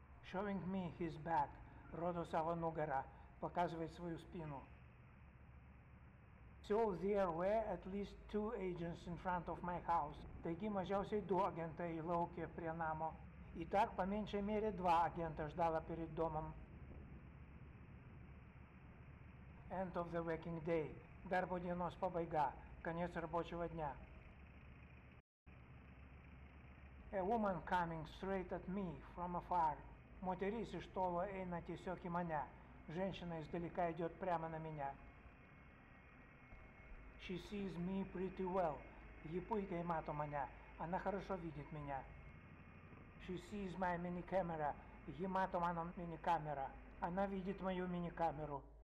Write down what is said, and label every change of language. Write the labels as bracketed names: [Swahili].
[English] Showing me his back, [Lithuanian] rodo savo nugarą, [Russian] показывает свою спину. [English] So there were at least two agents in front of my house. [Lithuanian] Taigi mažiausiai du agentai laukė prie namo. [Russian] И так, по меньшей мере, два агента ждала перед домом. [English] End of the working day. [Lithuanian] Darbo dienos pabaiga. [Russian] Конец рабочего дня. [English] A woman coming straight at me from afar. [Lithuanian] Moteris iš tolo eina tiesiog į mane. [Russian] Женщина издалека идет прямо на меня. [English] She sees me pretty well. [Lithuanian] Ji puikiai mato mane. [Russian] Она хорошо видит меня. [English] She sees my mini camera. [Lithuanian] Ji mato mano mini камеру. [Russian] Она видит мою мини камеру.